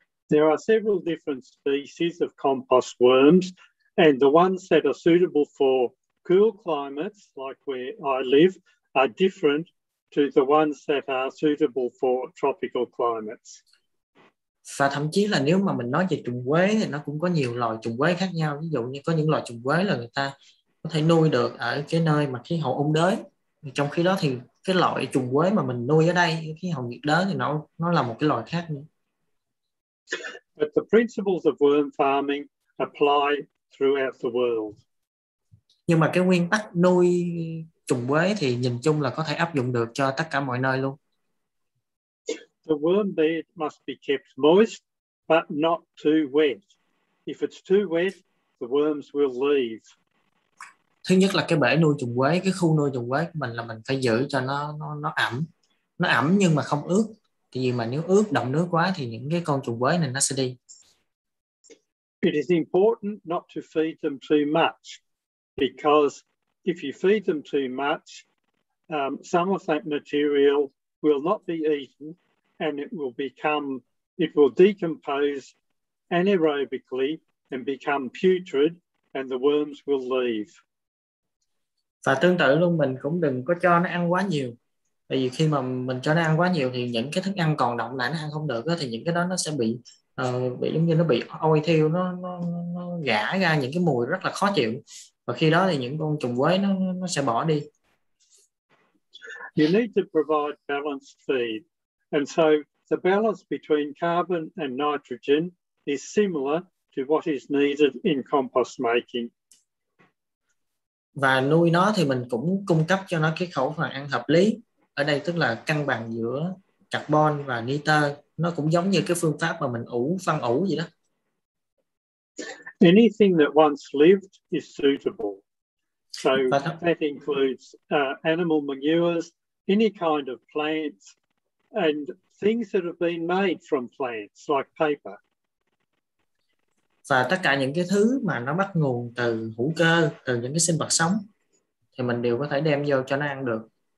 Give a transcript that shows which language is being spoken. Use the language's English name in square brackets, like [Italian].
[English] There are several different species of compost worms, and the ones that are suitable for cool climates like where I live are different to the ones that are suitable for tropical climates. [Vietnamese] Và thậm chí là nếu mà mình nói về trùng quế thì nó cũng có nhiều loại trùng quế khác nhau. Ví dụ như có những loại trùng quế là người ta có thể nuôi được ở cái nơi mà khí hậu ôn đới. Trong khi đó thì cái loại trùng quế mà mình nuôi ở đây, khí hậu nhiệt đới thì nó là một cái loại khác nữa. [English] But the principles of worm farming apply throughout the world. [Vietnamese] Nhưng mà cái nguyên tắc nuôi trùng quế thì nhìn chung là có thể áp dụng được cho tất cả mọi nơi luôn. [English] The worm bed must be kept moist, but not too wet. If it's too wet, the worms will leave. [Vietnamese] Thứ nhất là cái bể nuôi trùng quế, cái khu nuôi trùng quế của mình là mình phải giữ cho nó ẩm. Nó ẩm nhưng mà không ướt. Tại vì mà nếu ướt, đọng nước quá thì những cái con trùng quế này nó sẽ đi. [English] It is important not to feed them too much, because if you feed them too much, some of that material will not be eaten. And it will decompose anaerobically and become putrid, and the worms will leave. [Vietnamese] Và tương tự luôn, mình cũng đừng có cho nó ăn quá nhiều. Tại vì khi mà mình cho nó ăn quá nhiều thì những cái thức ăn còn động lại nó ăn không được đó, thì những cái đó nó sẽ bị giống như nó bị ôi thiêu, nó gã ra những cái mùi rất là khó chịu. Và khi đó thì những con trùng quế nó sẽ bỏ đi. [English] You need to provide balanced feed. And so the balance between carbon and nitrogen is similar to what is needed in compost making. [Vietnamese] Và nuôi nó thì mình cũng cung cấp cho nó cái khẩu phần ăn hợp lý. Ở đây tức là cân bằng giữa carbon và nitơ. Nó cũng giống như cái phương pháp mà mình ủ, phân ủ vậy đó. [English] Anything that once lived is suitable. So that includes animal manures, any kind of plants, and things that have been made from plants like paper. [Vietnamese] Và tất cả những cái thứ mà nó bắt nguồn từ hữu cơ, từ những cái sinh vật sống, thì mình đều có thể đem vô cho nó ăn được.